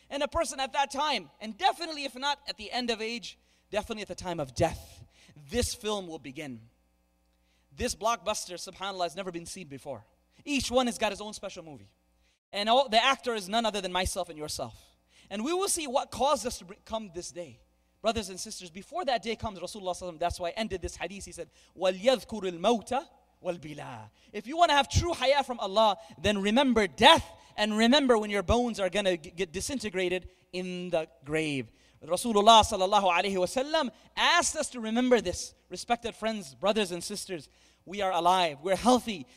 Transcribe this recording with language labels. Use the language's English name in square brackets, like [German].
[English] And a person at that time, and definitely if not at the end of age, definitely at the time of death, this film will begin. This blockbuster, subhanAllah, has never been seen before. Each one has got his own special movie. And the actor is none other than myself and yourself. And we will see what caused us to come this day. Brothers and sisters, before that day comes, Rasulullah, that's why I ended this hadith. He said, [Arabic] وَلْيَذْكُرِ الْمَوْتَ وَالْبِلَىٰ. [English] If you want to have true haya from Allah, then remember death and remember when your bones are going to get disintegrated in the grave. Rasulullah sallallahu alayhi wa sallam asked us to remember this. Respected friends, brothers and sisters, we are alive, we're healthy.